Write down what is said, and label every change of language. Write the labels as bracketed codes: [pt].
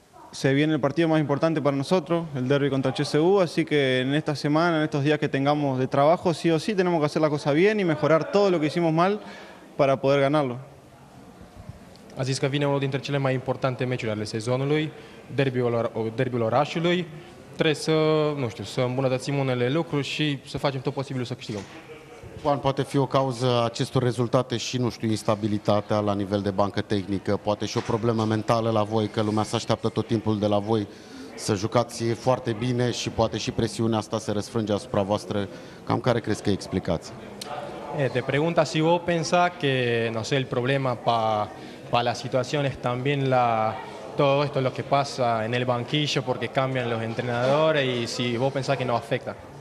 [es] Se viene el partido más importante para nosotros, el derbi contra CSU, así que en esta semana, en estos días que tengamos de trabajo, sí o sí tenemos que hacer la cosa bien y mejorar todo lo que hicimos mal para poder ganarlo. [ro] A zis că vine unul dintre cele mai importante meciuri ale sezonului, derbiul orașului. Trebuie să, nu știu, să îmbunătățim unele lucruri și să facem tot posibilul să câștigăm. Juan, poate fi o cauză acestor rezultate și, nu știu, instabilitatea la nivel de bancă tehnică, poate și o problemă mentală la voi, că lumea se așteaptă tot timpul de la voi să jucați foarte bine și poate și presiunea asta se răsfrânge asupra voastră. Cam care crezi că e explicația? [es] Te pregunta si vos pensás que, no sé, el problema para la situación es también todo esto lo que pasa en el banquillo porque cambian los entrenadores y si vos pensás que no afecta.